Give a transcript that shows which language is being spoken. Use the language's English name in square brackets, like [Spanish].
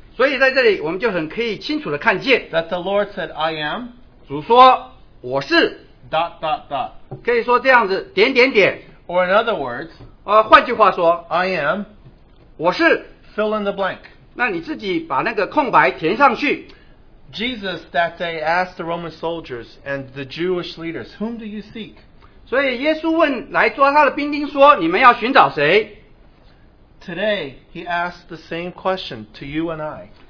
[Chinese] 所以在这里我们就很可以清楚地看见, [English] that the Lord said, I am. [Chinese] 主说,我是。 [English] Dot, dot, dot. [Chinese] 可以说这样子,点点点。 [English] Or in other words, [Chinese] 换句话说, [English] I am, [Chinese] 我是, [English] fill in the blank. [Chinese] 那你自己把那个空白填上去。 [English] Jesus that day asked the Roman soldiers and the Jewish leaders, whom do you seek? [Chinese] 所以耶稣问来抓他的兵丁说, 你们要寻找谁? [English] Today, he asked the same question to you and I.